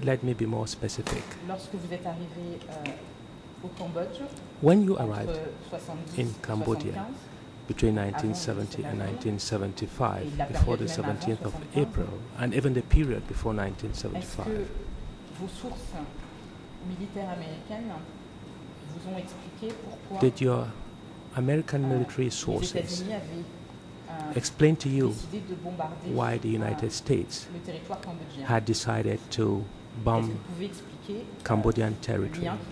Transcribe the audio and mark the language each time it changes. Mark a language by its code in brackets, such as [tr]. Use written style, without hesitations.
[en] Let me be more specific. [fr] Lorsque vous êtes arrivé, au Cambodge, [en] when you arrived in Cambodia between 1970 and 1975, before the 17th of April, and even the period before 1975, [fr] vos sources militaires américaines vous ont expliqué pourquoi [en] did your American military sources explained to you why the United States had decided to bomb Cambodian territory.